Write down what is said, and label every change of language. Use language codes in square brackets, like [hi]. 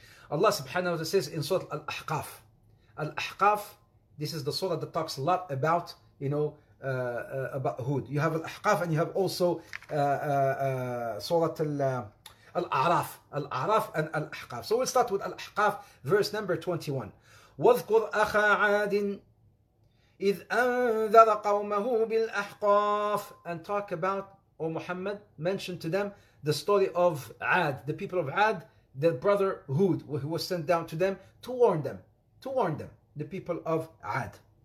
[en] Allah subhanahu wa ta'ala says in Surah Al-Ahqaf. Al-Ahqaf, this is the surah that talks a lot about, you know, about Hud. You have Al-Ahqaf and you have also Surah Al-A'raf. Al-A'raf and Al-Ahqaf. So we'll start with Al-Ahqaf, verse number 21. [ar] وَذْكُرْ أَخَا عَادٍ إِذْ أَنذَرَ قَوْمَهُ بِالْأَحْقَافِ. [en] And talk about, O Muhammad, mention to them the story of Ad, the people of Ad, their brother Hud, who was sent down to them to warn them, the people of Ad.